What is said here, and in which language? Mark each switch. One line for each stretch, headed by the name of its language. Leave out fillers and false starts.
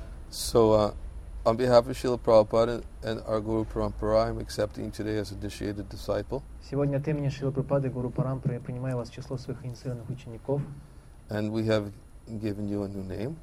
English: So on behalf of Srila Prabhupada and our Guru Parampara, I'm accepting today as initiated disciple.
Russian: Сегодня от имени Шрилы Прабхупады и Гуру Парампары я принимаю вас в число своих инициированных учеников.
English: And we have given you a new name.